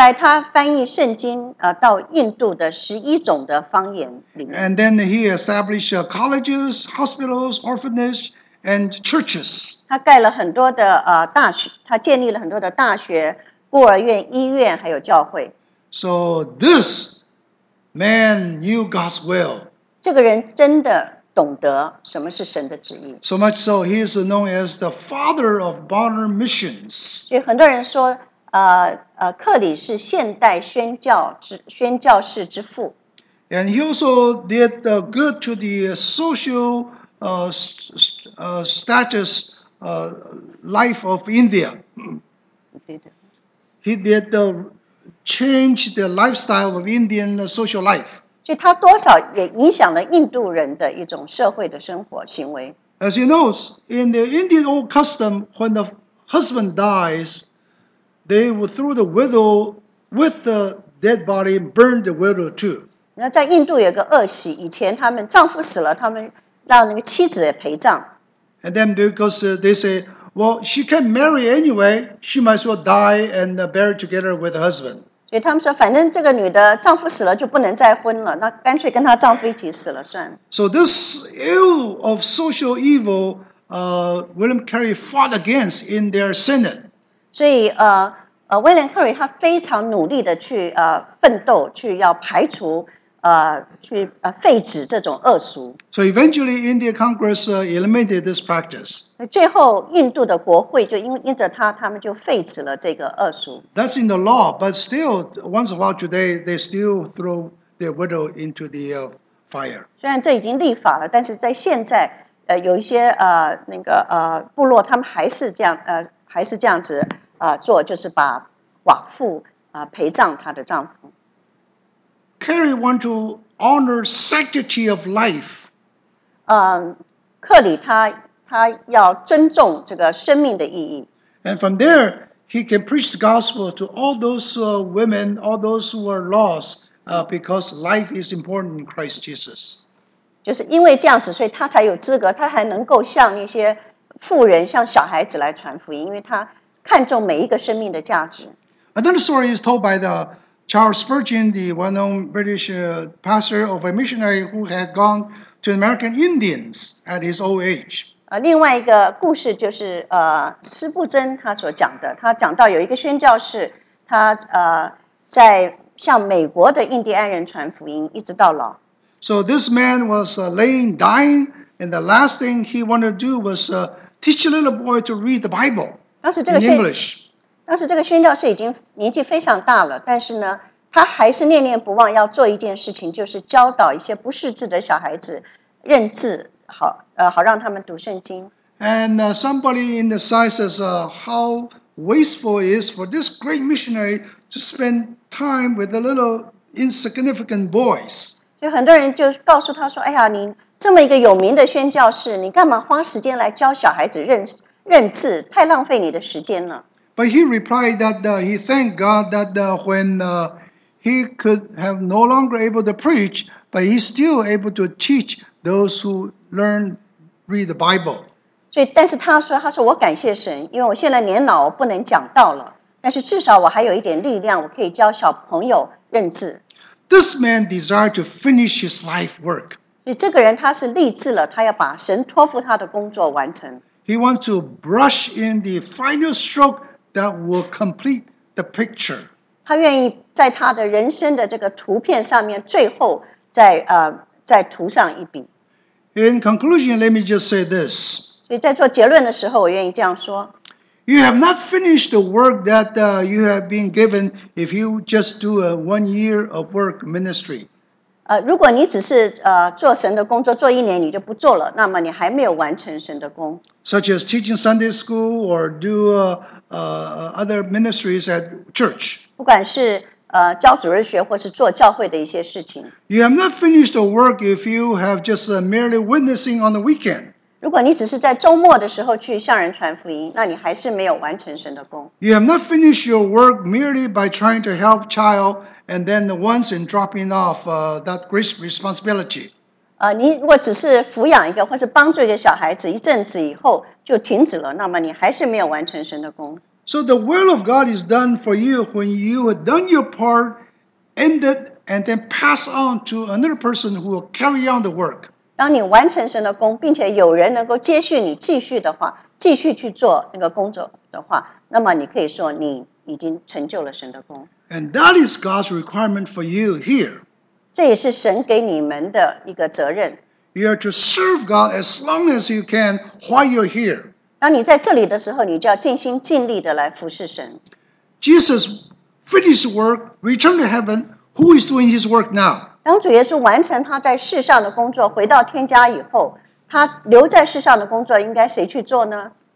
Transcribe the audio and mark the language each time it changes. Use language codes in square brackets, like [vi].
[zh] 后来他翻译圣经, 到印度的11种的方言里面。 [en] And then he established colleges, hospitals, orphanage, and churches. [zh] 他盖了很多的, 大学, 他建立了很多的大学, 孤儿院, 医院, 还有教会。 [en] So this man knew God's will. [zh] 这个人真的, [en] So much so, he is known as the father of modern missions. [zh] 所以很多人说, 克里是现代宣教士之父。 [en] And he also did good to the social status life of India. He did change the lifestyle of Indian social life. [zh] 所以他多少也影响了印度人的一种社会的生活行为。 [en] As you know, in the Indian old custom, when the husband dies, they would throw the widow with the dead body and burned the widow too. [zh] 那在印度有个恶习，以前他们丈夫死了，他们让那个妻子也陪葬。 [en] And then because they say, well, she can't marry anyway, she might as well die and bury together with her husband. [zh] 所以他们说，反正这个女的丈夫死了就不能再婚了，那干脆跟她丈夫一起死了算了。 [en] So this ill of social evil, William Carey fought against in their synod. [zh] 所以威廉·克瑞他非常努力的去奋斗，去要排除去废止这种恶俗。 [en] So eventually, India Congress eliminated this practice. [zh] 最后，印度的国会就因着他们就废止了这个恶俗。 [en] That's in the law, but still, once in a while today, they still throw their widow into the fire. [zh] 虽然这已经立法了，但是在现在，有一些部落，他们还是这样子。做就是把寡妇陪葬她的丈夫。 [en] Carey want to honor sanctity of life. [zh] 克里他要尊重这个生命的意义。 [en] And from there, he can preach the gospel to all those women, all those who are lost, because life is important in Christ Jesus. [zh] 就是因为这样子，所以他才有资格，他还能够向那些妇人、向小孩子来传福音，因为他。看重每一个生命的价值。 [en] Another story is told by the Charles Spurgeon, the well-known British pastor of a missionary who had gone to American Indians at his old age. [zh] 另外一个故事就是斯布珍他所讲的，他讲到有一个宣教士，他在向美国的印第安人传福音，一直到老。 [en] So this man was laying dying, and the last thing he wanted to do was teach a little boy to read the Bible. [zh] 当时这个宣教士已经年纪非常大了，但是呢，他还是念念不忘要做一件事情，就是教导一些不识字的小孩子认字，好让他们读圣经。 [en] And somebody in the side says, how wasteful it is for this great missionary to spend time with the little insignificant boys. [zh] 就很多人就告诉他说，哎呀，你这么一个有名的宣教士，你干嘛花时间来教小孩子认字？认字太浪费你的时间了。 [en] But he replied that he thanked God that when he could have no longer able to preach, but he's still able to teach those who learn read the Bible. [zh] 所以，但是他说我感谢神，因为我现在年老，我不能讲道了。但是至少我还有一点力量，我可以教小朋友认字。 [en] This man desired to finish his life work. [zh] 所以这个人他是立志了，他要把神托付他的工作完成。 [en] He wants to brush in the final stroke that will complete the picture. [zh] 他愿意在他的人生的这个图片上面最后再涂上一笔。 [en] In conclusion, let me just say this. [zh] 所以在做结论的时候，我愿意这样说。 [en] You have not finished the work that you have been given if you just do a 1 year of work ministry. [zh] 如果你只是做神的工作做一年你就不做了，那么你还没有完成神的工。 [en] Such as teaching Sunday school or do other ministries at church. [zh] 不管是教主日学或是做教会的一些事情。 [en] You have not finished the work if you have just merely witnessing on the weekend. [zh] 如果你只是在周末的时候去向人传福音，那你还是没有完成神的工。 [en] You have not finished your work merely by trying to help child and then once in dropping off that great responsibility. [zh] 你如果只是抚养一个或是帮助一个小孩子一阵子以后就停止了，那么你还是没有完成神的工。 [en] So the will of God is done for you when you have done your part, ended, and then pass on to another person who will carry on the work. [zh] 当你完成神的工，并且有人能够接续你继续的话，继续去做那个工作的话，那么你可以说你已经成就了神的工。 [en] And that is God's requirement for you here. [zh] 这也是神给你们的一个责任。 [en] You are to serve God as long as you can while you're here. [zh] 当你在这里的时候，你就要尽心尽力的来服侍神。 [en] Jesus finished work, returned to heaven. Who is doing his work now? [zh] 当主耶稣完成他在世上的工作，回到天家以后，他留在世上的工作应该谁去做呢？